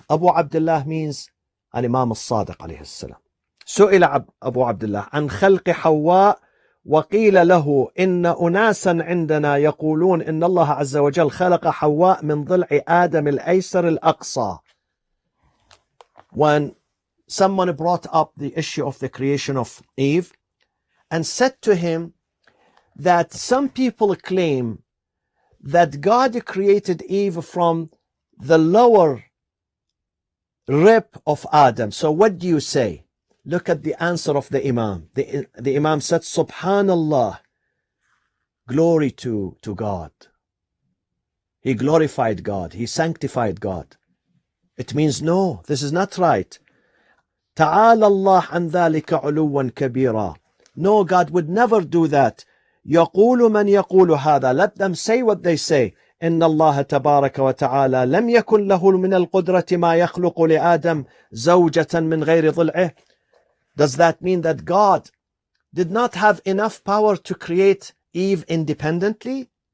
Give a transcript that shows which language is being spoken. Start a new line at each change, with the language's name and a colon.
Arabic: أبو عبد الله
English: means
Arabic: الإمام الصادق عليه السلام. سئل أبو عبد الله عن خلق حواء وقيل له إن أناسا عندنا يقولون إن الله عز وجل خلق حواء من ضلع آدم الأيسر الأقصى.
English: When someone brought up the issue of the creation of Eve and said to him that some people claim that God created Eve from the lower rib of Adam. So what do you say? Look at the answer of the Imam. The Imam said, Subhanallah, glory to God. He glorified God. He sanctified God. It means no, this is not right.
Arabic: تعالى الله عن ذلك علوا كبيرا.
English: No, God would never do that.
Arabic: يقول من يقول هذا.
English: Let them say what they say.
Arabic: إن الله تبارك وتعالى لم يكن له من القدرة ما يخلق لآدم زوجة من غير ضلعه.
English: Does that mean that God did not have enough power to create Eve independently?